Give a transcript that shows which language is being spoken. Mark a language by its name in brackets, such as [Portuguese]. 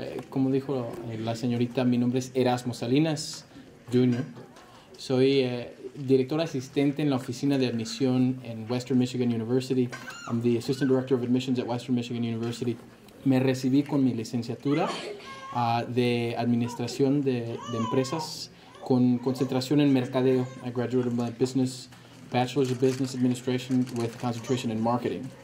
[Spanish] Como dijo la señorita, mi nombre es Erasmo Salinas Jr. Soy director asistente en la oficina de admisión en Western Michigan University. [English] I'm the assistant director of admissions at Western Michigan University. [Spanish] Me recibí con mi licenciatura de administración de empresas con concentración en mercadeo. [English] I graduated with a business, Bachelor's of Business Administration with concentration in marketing.